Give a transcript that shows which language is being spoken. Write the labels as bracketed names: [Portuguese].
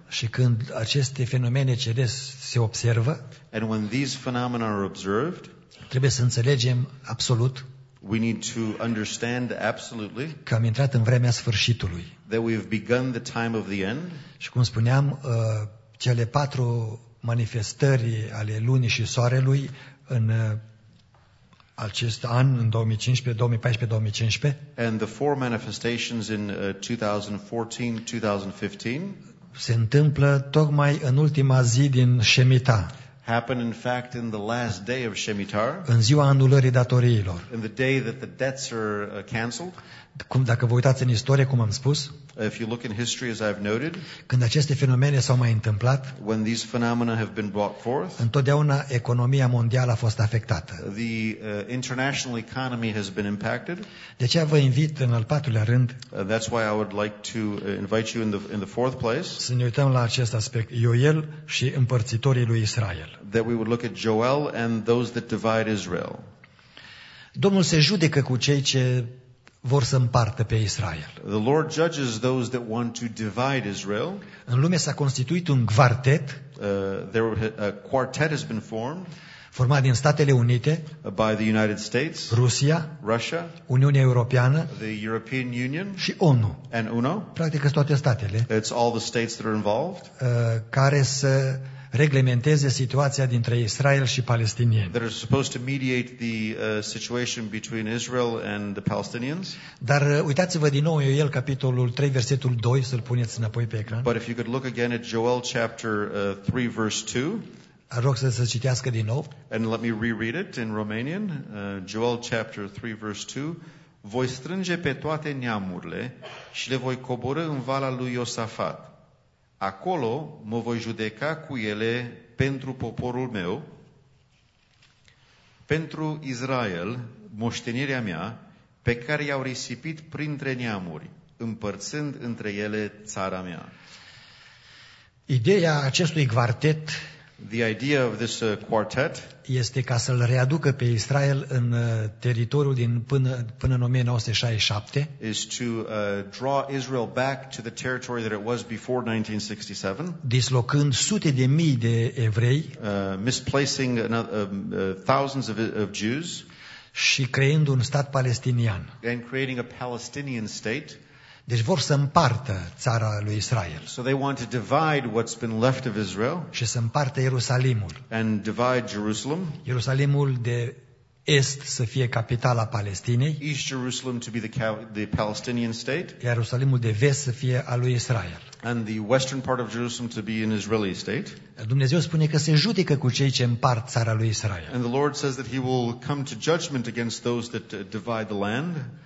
[Romanian] Și când aceste fenomene ceresc se observă. [English] And when these phenomena are observed. [Romanian] Trebuie să înțelegem absolut. [English] We need to understand absolutely. [Romanian] Că am intrat în vremea sfârșitului. [English] That we have begun the time of the end. [Romanian] Și cum spuneam, cele patru manifestări ale lunii și soarelui în acest an, în 2015-2015. [English] And the four manifestations in 2014-2015. [Romanian] Se întâmplă tocmai în ultima zi din Shemitah. [English] Happened in fact in the last day of Shemitah. [Romanian] În ziua anulării datoriilor. [English] In the day that the debts are canceled. [Romanian] Cum dacă vă uitați în istorie, cum am spus? [English] If you look in history as I've noted. [Romanian] Când aceste fenomene s-au mai întâmplat? [English] When these phenomena have been brought forth. [Romanian] Întotdeauna economia mondială a fost afectată. [English] The international economy has been impacted. [Romanian] De aceea vă invit în al patrulea rând. [English] That's why I would like to invite you in the fourth place. [Romanian] Să ne uităm la acest aspect, Ioel și împărțitorii lui Israel. [English] That we would look at Joel and those that divide Israel. [Romanian] Domnul se judecă cu cei ce vor să împartă pe Israel. [English] The Lord judges those that want to divide Israel. [Romanian] În lume s-a constituit un quartet. [English] A quartet has been formed. [Romanian] Format din Statele Unite, [English] by the United States, [Romanian] Rusia, [English] Russia, [Romanian] Uniunea Europeană, [English] the European Union, [Romanian] și ONU. [English] And UNO. [Romanian] Practic toate statele. [English] It's all the states that are involved. [Romanian] Care să reglementeze situația dintre Israel și palestinieni. [English] That are supposed to mediate the situation between Israel and the Palestinians. [Romanian] Dar uitați-vă din nou Ioel capitolul 3 versetul 2, să-l puneți înapoi pe ecran. [English] But if you could look again at Joel chapter 3 verse 2. [Romanian] Rog să se citească din nou. [English] And let me reread it in Romanian. Joel chapter 3 verse 2. [Romanian] Voi strânge pe toate neamurile și le voi coborî în valea lui Iosafat. Acolo mă voi judeca cu ele pentru poporul meu, pentru Israel, moștenirea mea, pe care i-au risipit printre neamuri, împărțând între ele țara mea. Ideea acestui quartet, [English] the idea of this quartet, [Romanian] este ca să-l readucă pe Israel în teritoriul din până în 1967. [English] Is to draw Israel back to the territory that it was before 1967. [Romanian] Dislocând sute de mii de evrei, [English] misplacing thousands of Jews, [Romanian] și creând un stat palestinian. [English] And creating a Palestinian state. [Romanian] Deci vor să împartă țara lui Israel. [English] So they want to divide what's been left of Israel. [Romanian] Și să împartă Ierusalimul. [English] And divide Jerusalem. [Romanian] Ierusalimul de est să fie capitala Palestinei. [English] East Jerusalem to be the Palestinian state. [Romanian] Ierusalimul de vest să fie al lui Israel. [English] And the western part of Jerusalem to be an Israeli state. [Romanian] Dumnezeu spune că se judecă cu cei ce împart țara lui Israel. [English] And the Lord says that he will come to judgment against those that divide the land.